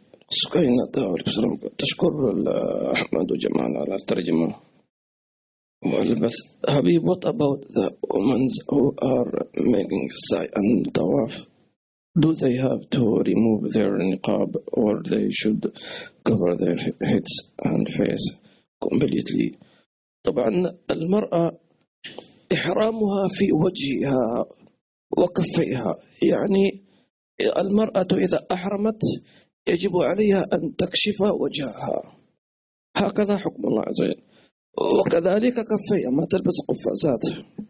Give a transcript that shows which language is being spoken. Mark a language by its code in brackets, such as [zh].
[ar] سكينة تشكر أحمد وجمال على الترجمة. [en] حبيب، what about the women who are making sa'i and tawaf? Do they have to remove their niqab or they should cover their heads and face completely? [ar] طبعا المرأة إحرامها في وجهها وكفيها، يعني المرأة إذا أحرمت يجب عليها أن تكشف وجهها، هكذا حكم الله عز وجل، وكذلك كفيها ما تلبس قفازات.